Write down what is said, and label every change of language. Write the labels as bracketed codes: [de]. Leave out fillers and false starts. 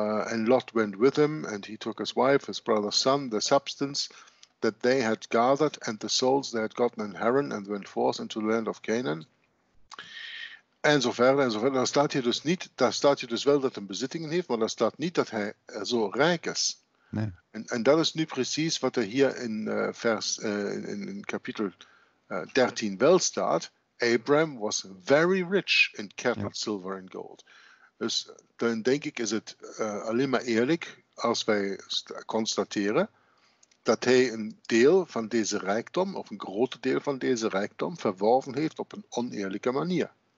[en] And Lot went with him, and he took his wife, his brother's son, the substance that they had gathered, and the souls they had gotten in Haran, and went forth into the land of Canaan. [nl] En zo verder en zo verder. Daar staat hier dus niet, daar staat hier dus wel dat hij bezittingen heeft, maar daar staat niet dat hij zo rijk is. Nee. En dat is nu precies wat er hier in in kapitel 13 wel staat. [en] Abraham was very rich in cattle, ja, silver and gold. [nl] Dus dan denk ik is het alleen maar eerlijk als wij constateren dat hij een deel van deze rijkdom, of een groot deel van deze rijkdom, verworven heeft op een oneerlijke manier.